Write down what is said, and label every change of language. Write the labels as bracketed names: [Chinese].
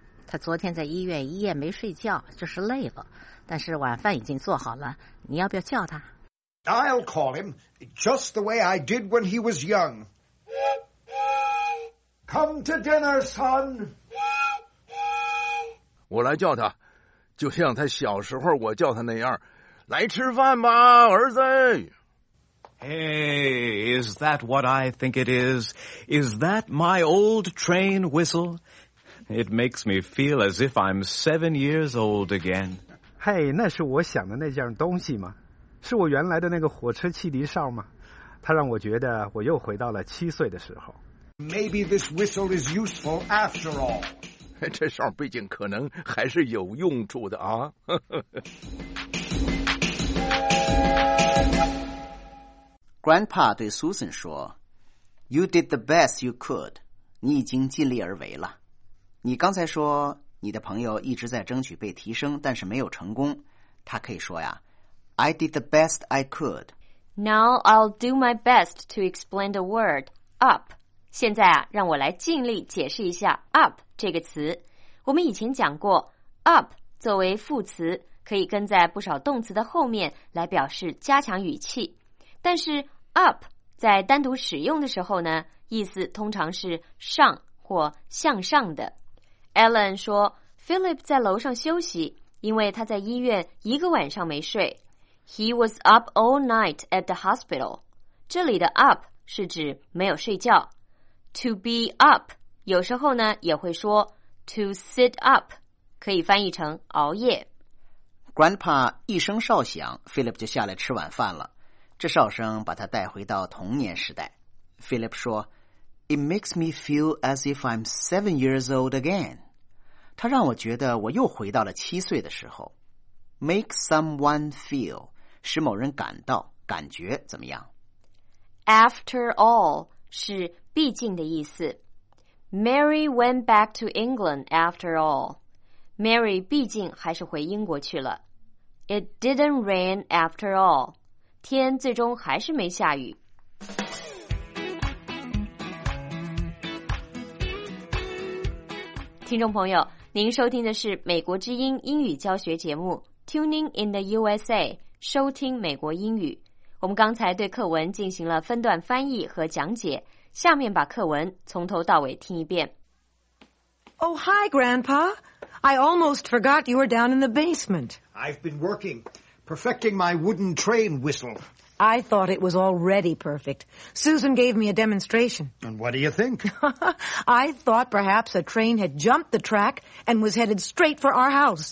[Chinese] 他昨天在医院一夜没睡觉，就是累了。但是晚饭已经做好了，你要不要叫他？ [English] I'll call him, just the way I did when he was young. Come to dinner, son. [Chinese] 我来叫他，就像他小时候我叫他那样，来吃饭吧，儿子。 [English] Hey, is that what I think it is? Is that my old train whistle? It makes me feel as if I'm 7 years old again. [Chinese] Hey, 那是我想的那件东西吗？是我原来的那个火车汽笛哨吗？它让我觉得我又回到了七岁的时候。 [English] Maybe this whistle is useful after all. [Chinese] 这哨毕竟可能还是有用处的啊。 [English] Grandpa [Chinese] 对 [English] Susan [Chinese] 说 [English] You did the best you could. [Chinese] 你已经尽力而为了。你刚才说你的朋友一直在争取被提升，但是没有成功。他可以说呀 [English] I did the best I could. Now I'll do my best to explain the word up. [Chinese] 现在啊，让我来尽力解释一下 up 这个词。我们以前讲过 up 作为副词可以跟在不少动词的后面来表示加强语气。但是 up 在单独使用的时候呢，意思通常是上或向上的。 Alan 说 ,Philip 在楼上休息，因为他在医院一个晚上没睡。 [English] He was up all night at the hospital. [Chinese] 这里的 up 是指没有睡觉。 [English] To be up, [Chinese] 有时候呢也会说 [English] to sit up, [Chinese] 可以翻译成熬夜。 Grandpa 一声哨响 ,Philip 就下来吃晚饭了。这哨声把他带回到童年时代。 [English] Philip [Chinese] 说 [English] It makes me feel as if I'm 7 years old again. [Chinese] 他让我觉得我又回到了七岁的时候。 [English] Make someone feel, [Chinese] 使某人感到感觉怎么样。 [English] After all, [Chinese] 是毕竟的意思。 [English] Mary went back to England after all. [Chinese] Mary 毕竟还是回英国去了。 [English] It didn't rain after all. [Chinese] 天最终还是没下雨。听众朋友，您收听的是美国之音英语教学节目 Tuning in the USA， 收听美国英语。我们刚才对课文进行了分段翻译和讲解，下面把课文从头到尾听一遍。 [English] Oh, hi, Grandpa. I almost forgot you were down in the basement. I've been working. Perfecting my wooden train whistle. I thought it was already perfect. Susan gave me a demonstration. And what do you think? I thought perhaps a train had jumped the track and was headed straight for our house.